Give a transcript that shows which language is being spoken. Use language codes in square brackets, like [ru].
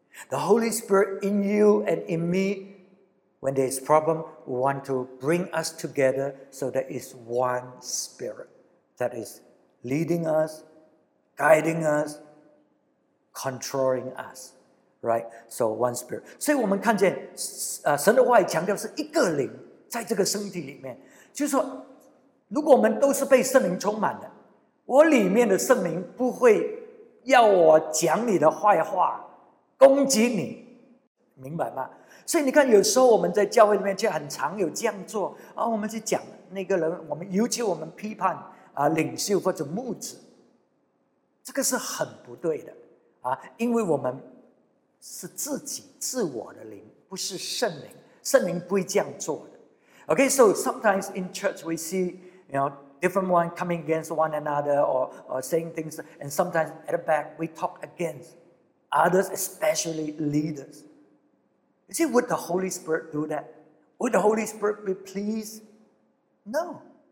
[en] The Holy Spirit in you and in me, when there is problem, want to bring us together so that it's one spirit that is leading us, guiding us, controlling us, right? So one spirit. [zh] 所以我们看见神的话语强调是一个灵在这个身体里面，就是说如果我们都是被圣灵充满的，我里面的圣灵不会要我讲你的坏话，攻击你，明白吗？所以你看，有时候我们在教会里面却很常有这样做啊，我们去讲那个人，我们尤其我们批判领袖或者牧者，这个是很不对的啊，因为我们是自己自我的灵，不是圣灵，圣灵不会这样做的。 [en] Okay, so sometimes in church we see, you know, different one coming against one another or saying things, and sometimes at the back we talk against others, especially leaders. You see, would the Holy Spirit do that? Would the Holy Spirit be pleased? No.